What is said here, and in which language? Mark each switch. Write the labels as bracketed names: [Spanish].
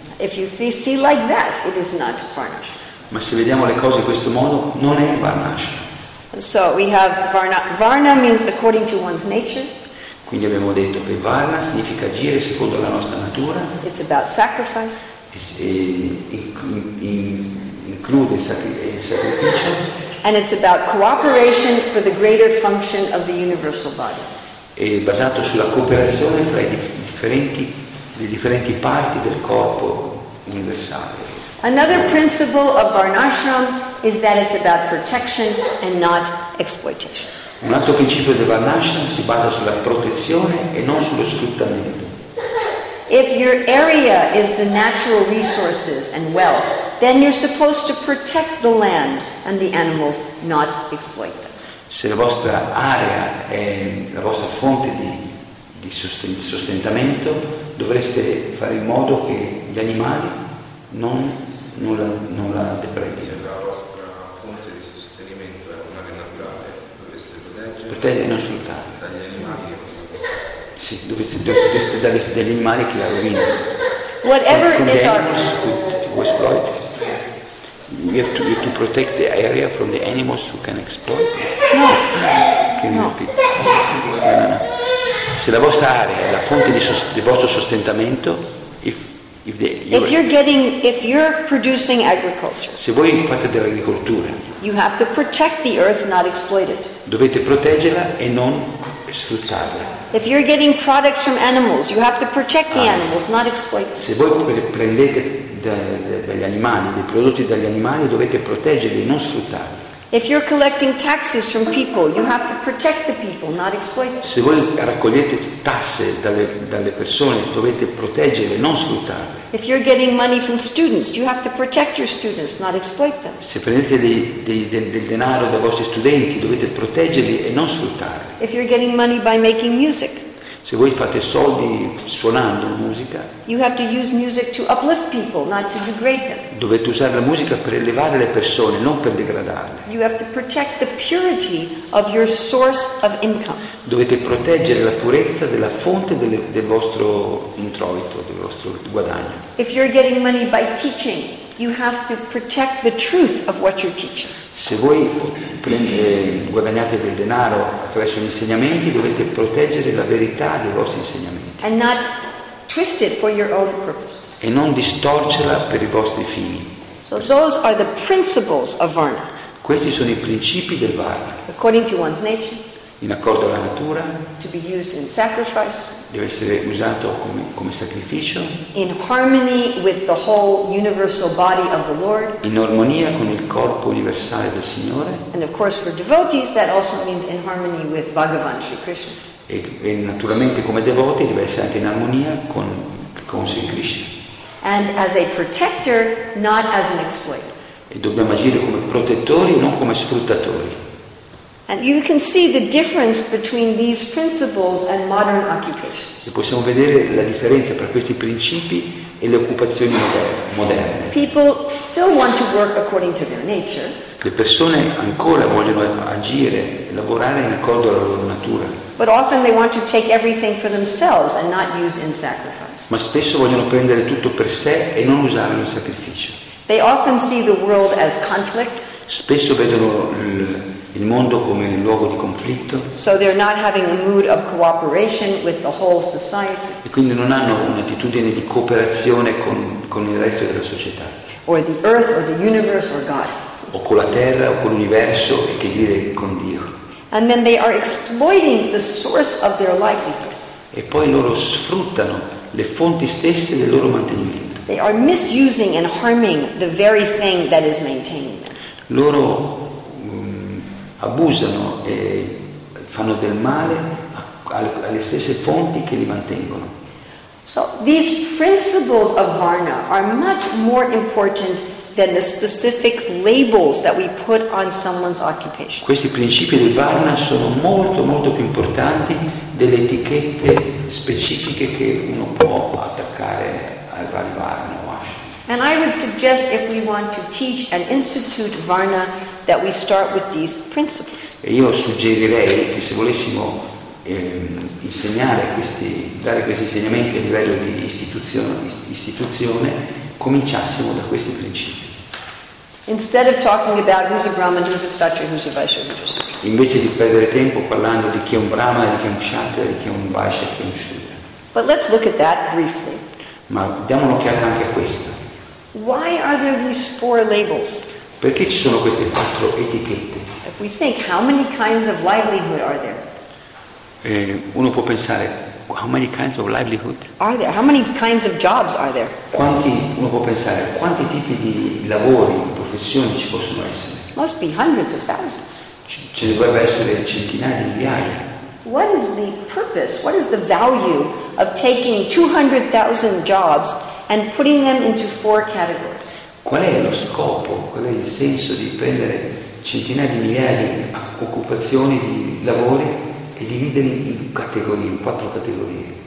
[English] If you see like that, it is not varnashram. [Italian] Ma se vediamo le cose in questo modo, non è varnashram. [English] So we have varna. Varna means according to one's nature. [Italian] Quindi abbiamo detto che varna significa agire secondo la nostra natura. [English] It's about sacrifice. [Italian] Include il sacrificio. [English] And it's about cooperation for the greater function of the universal body. [Italian] È basato sulla cooperazione fra le differenti parti del corpo universale. [English] Another principle of varnashram is that it's about protection and not exploitation. [Italian] Un altro principio del varnashram si basa sulla protezione e non sullo sfruttamento. [English] If your area is the natural resources and wealth, then you're supposed to protect the land and the animals, not exploit them. [Italian] Se la vostra area è la vostra fonte di sostentamento, dovreste fare in modo che gli animali non la deprecchi. Se la vostra fonte di sostenimento è un'area naturale, dovreste proteggere e non sfruttare. Sì, degli animali che la rovinano. [English] Whatever is our animals to exploit. You have to protect the area from the animals who can exploit. No. Can you repeat? No. [Italian] Se la vostra area è la fonte di del vostro sostentamento, [English] if you're producing agriculture. [Italian] Se voi fate dell'agricoltura. [English] You have to protect the earth, not exploit it. [Italian] Dovete proteggerla e non sfruttarla. [English] If you're getting products from animals, you have to protect the animals, not exploit them. [Italian] Se voi prendete dagli animali, dei prodotti dagli animali, dovete proteggerli, non sfruttarli. [English] If you're collecting taxes from people, you have to protect the people, not exploit them. [Italian] Se voi raccogliete tasse dalle persone, dovete proteggerle, non sfruttarle. [English] If you're getting money from students, you have to protect your students, not exploit them. [Italian] Se prendete del denaro dai vostri studenti, dovete proteggerli e non sfruttarli. [English] If you're getting money by making music, [Italian] se voi fate soldi suonando musica, [English] you have to use music to uplift people, not to degrade them. [Italian] Dovete usare la musica per elevare le persone, non per degradarle. [English] You have to protect the purity of your source of income. [Italian] Dovete proteggere la purezza della fonte del vostro introito, del vostro guadagno. [English] If you're getting money by teaching, you have to protect the truth of what you're teaching. [Italian] Se voi guadagnate del denaro attraverso gli insegnamenti, dovete proteggere la verità dei vostri insegnamenti. [English] And not twist it for your own purposes. [Italian] E non distorcerla per i vostri fini. [English] So those are the principles of Varna. [Italian] Questi sono i principi del Varna. [English] According to one's nature. [Italian] In accordo alla natura. [English] To be used in sacrifice. [Italian] Deve essere usato come sacrificio. [English] In harmony with the whole universal body of the Lord. [Italian] In armonia con il corpo universale del Signore. [English] And of course for devotees that also means in harmony with Bhagavan Sri Krishna. [Italian] E naturalmente come devoti deve essere anche in armonia con Sri Krishna. [English] And as a protector, not as an exploiter. [Italian] E dobbiamo agire come protettori, non come sfruttatori. [English] And you can see the difference between these principles and modern occupations. [Italian] E possiamo vedere la differenza tra questi principi e le occupazioni moderne. [English] People still want to work according to their nature. [Italian] Le persone ancora vogliono agire, lavorare in accordo alla loro natura. [English] But often they want to take everything for themselves and not use in sacrifice. [Italian] Ma spesso vogliono prendere tutto per sé e non usarlo in sacrificio. [English] They often see the world as conflict. [Italian] Spesso vedono il mondo come un luogo di conflitto. [English] So they're not having a mood of cooperation with the whole society. [Italian] E quindi non hanno un'attitudine di cooperazione con il resto della società. [English] Or the earth, or the universe, or God. [Italian] O con la terra, o con l'universo, e che dire con Dio. [English] And then they are exploiting the source of their livelihood. [Italian] E poi loro sfruttano le fonti stesse del loro mantenimento. [English] They are misusing and harming the very thing that is maintaining them. [Italian] Loro abusano e fanno del male alle stesse fonti che li mantengono. [English] So these principles of Varna are much more important than the specific labels that we put on someone's occupation. [Italian] Questi principi del Varna sono molto molto più importanti delle etichette specifiche che uno può attaccare al vari Varna. [English] And I would suggest if we want to teach and institute Varna that we start with these principles. [Italian] E io suggerirei che se volessimo insegnare dare questi insegnamenti a livello di istituzione, cominciassimo da questi principi. [English] Instead of talking about who's a Brahman, who's a Kshatriya, who's a Vaishya, who's a Shudra. [Italian] Invece di perdere tempo parlando di chi è un Brahman, di chi è un Kshatriya, di chi è un Vaishya, chi è un Shudra. [English] But let's look at that briefly. [Italian] Ma diamo un'occhiata anche a questo. [English] Why are there these four labels? [Italian] Perché ci sono queste quattro etichette? [English] If we think, how many kinds of livelihood are there? [Italian] Uno può pensare, [English] how many kinds of livelihood? Are there? How many kinds of jobs are there? [Italian] Uno può pensare, quanti tipi di lavori, professioni ci possono essere? [English] Must be hundreds of thousands. [Italian] Ce ne dovrebbe essere centinaia di migliaia. [English] What is the purpose? What is the value of taking 200,000 jobs and putting them into four categories? [Italian] Qual è lo scopo? Qual è il senso di prendere centinaia di migliaia di occupazioni di lavori e dividerli in categorie, in quattro categorie?